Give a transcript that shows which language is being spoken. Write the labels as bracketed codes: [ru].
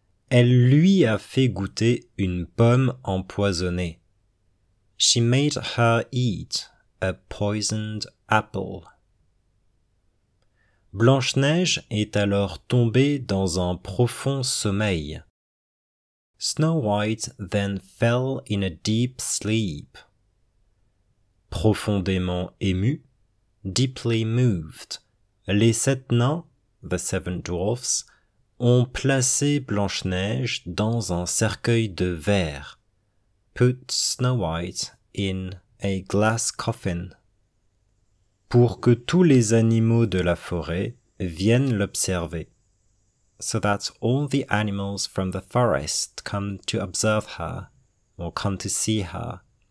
[fr] elle lui a fait goûter une pomme empoisonnée. [en] She made her eat a poisoned apple. [fr] Blanche-Neige est alors tombée dans un profond sommeil. [en] Snow White then fell in a deep sleep. [fr] Profondément émue, [en] deeply moved. [fr] Les sept nains, [en] the seven dwarfs, [fr] ont placé Blanche-Neige dans un cercueil de verre. [en] Put Snow White in a glass coffin. [fr] Pour que tous les animaux de la forêt viennent l'observer. [en] So that all the animals from the forest come to observe her, or come to see her.